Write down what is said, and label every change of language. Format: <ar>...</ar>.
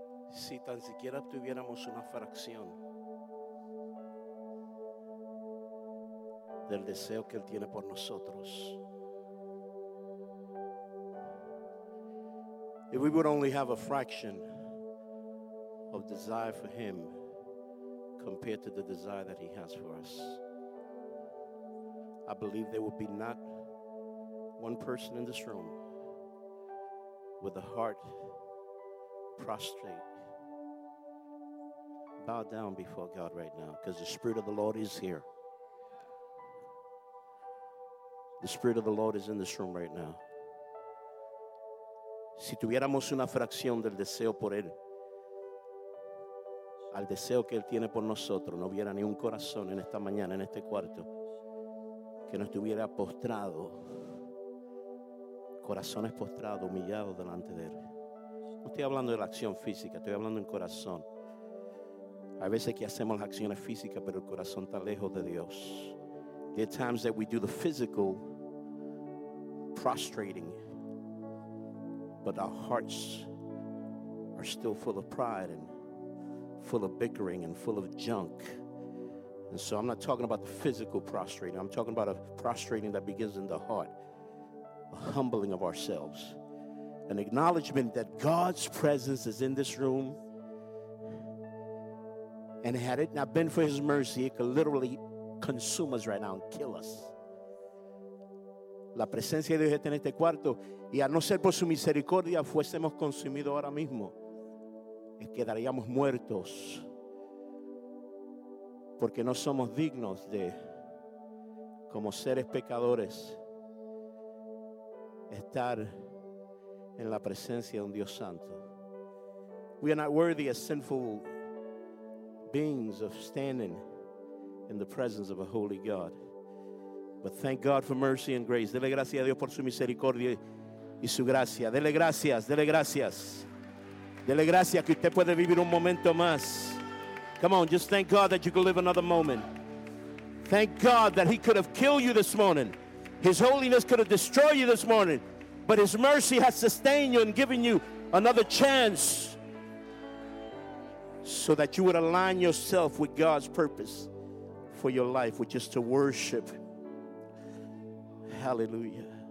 <es>Si tan siquiera tuviéramos una fracción del deseo que Él tiene por nosotros.</es> <en>If we would only have a fraction of desire for Him compared to the desire that He has for us, I believe there would be not one person in this room with a heart prostrate, bowed down before God right now, because the Spirit of the Lord is here. The Spirit of the Lord is in this room right now.</en> <es>Si tuviéramos una fracción del deseo por Él, al deseo que Él tiene por nosotros, no hubiera ni un corazón en esta mañana, en este cuarto, que no estuviera postrado, corazones postrados, humillados delante de Él. No estoy hablando de la acción física, estoy hablando en corazón. Hay veces que hacemos las acciones físicas, pero el corazón está lejos de Dios.</es> <en>There are times that we do the physical prostrating, but our hearts are still full of pride and full of bickering and full of junk. And so I'm not talking about the physical prostrating. I'm talking about a prostrating that begins in the heart, a humbling of ourselves, an acknowledgement that God's presence is in this room. And had it not been for His mercy, it could literally consume us right now and kill us.</en> <es>La presencia de Dios está en este cuarto, y a no ser por su misericordia fuésemos consumidos ahora mismo, y quedaríamos muertos, porque no somos dignos de, como seres pecadores, estar en la presencia de un Dios santo.</es> <en>We are not worthy as sinful beings of standing in the presence of a holy God. But thank God for mercy and grace.</en> <es>Dele gracias a Dios por su misericordia y su gracia. Dele gracias, dele gracias. Dele gracias que usted puede vivir un momento más.</es> <en>Come on, just thank God that you could live another moment. Thank God that He could have killed you this morning. His holiness could have destroyed you this morning. But His mercy has sustained you and given you another chance so that you would align yourself with God's purpose for your life, which is to worship. Hallelujah.</en>